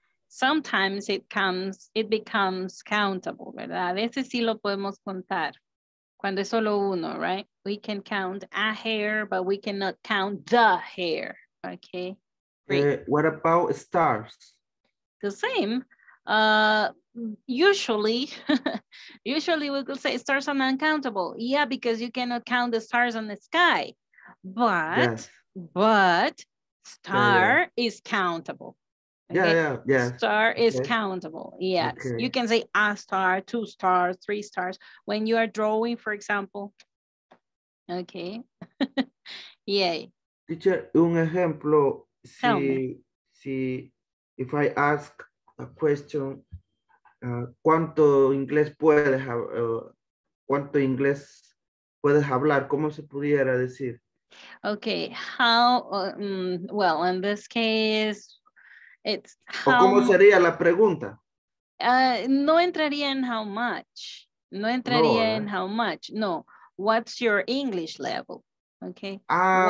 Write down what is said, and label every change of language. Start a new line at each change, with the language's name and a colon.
English: Sometimes it becomes countable,
Spanish: ¿verdad? A veces sí lo podemos contar. Cuando es solo uno, right?
English: We can count a hair, but we cannot count the hair. Okay. What about stars? The same. Usually we could say stars are uncountable. Yeah, because you cannot count the stars on the sky. But yes. But star is countable. Okay? Yeah. Star is countable. Yes. Okay. You can say a star, two stars, three stars. When you are drawing, for example. Okay. Yay.
Spanish: Teacher, un ejemplo. Si
English: if I ask a question,
Spanish: ¿cuánto inglés puedes hablar? ¿Cómo se pudiera decir?
English: Okay, how, well, in this case, it's how...
Spanish: ¿O cómo sería la pregunta? No entraría en how much. No entraría no, en how much.
English: No, what's your English level? Okay. Ah,